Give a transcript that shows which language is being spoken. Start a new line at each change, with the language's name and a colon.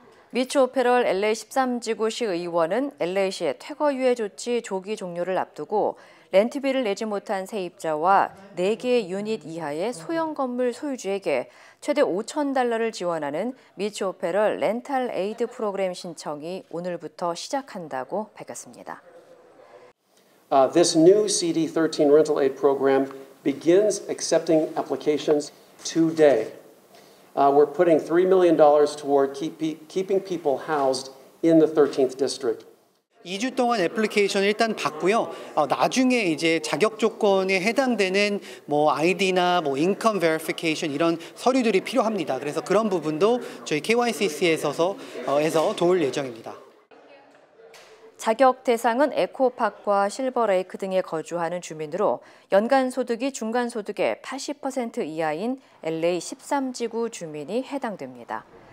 Korean: 미치 오페럴 LA 13지구시 의원은 LA시의 퇴거 유예 조치 조기 종료를 앞두고 렌트비를 내지 못한 세입자와 4개 유닛 이하의 소형 건물 소유주에게 최대 5천 달러를 지원하는 미치 오페럴 렌탈 에이드 프로그램 신청이 오늘부터 시작한다고 밝혔습니다.
English: This new CD 13 rental aid program begins accepting applications today. We're putting $3 million toward keeping people housed in the 13th district.
Korean: 2주 동안 애플리케이션 일단 받고요. 나중에 이제 자격 조건에 해당되는 뭐 ID나 뭐 인컴 베리피케이션 이런 서류들이 필요합니다. 그래서 그런 부분도 저희 KYCC에서 도울 예정입니다. 자격 대상은 에코파크와 실버레이크 등에 거주하는 주민으로 연간 소득이 중간 소득의 80% 이하인 LA 13지구 주민이 해당됩니다.